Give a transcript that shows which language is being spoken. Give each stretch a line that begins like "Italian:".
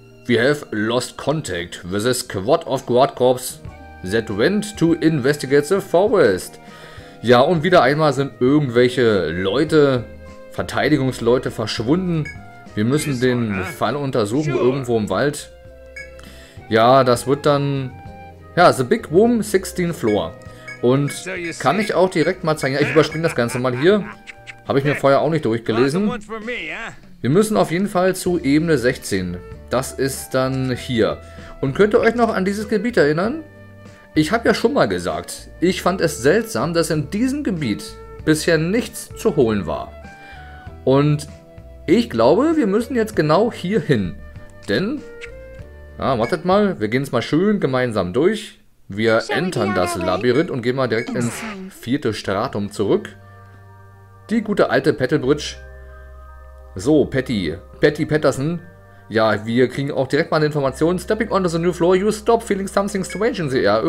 English: We have lost contact with a squad of Guard Corps that went to investigate the forest.
German: Ja, und wieder einmal sind irgendwelche Leute, Verteidigungsleute verschwunden. Wir müssen den Fall untersuchen, irgendwo im Wald. Ja, das wird dann... Ja, The Big Womb, 16th Floor. Und kann ich auch direkt mal zeigen... Ja, ich überspringe das Ganze mal hier. Habe ich mir vorher auch nicht durchgelesen. Wir müssen auf jeden Fall zu Ebene 16. Das ist dann hier. Und könnt ihr euch noch an dieses Gebiet erinnern? Ich habe ja schon mal gesagt, ich fand es seltsam, dass in diesem Gebiet bisher nichts zu holen war. Und ich glaube, wir müssen jetzt genau hier hin. Denn... Ah, wartet mal, wir gehen es mal schön gemeinsam durch. Wir entern das Labyrinth und gehen mal direkt ins vierte Stratum zurück. Die gute alte Petalbridge. So, Patty Patterson. Ja, wir kriegen auch direkt mal eine Information.
English: Stepping onto the new floor, you stop feeling something strange in the air.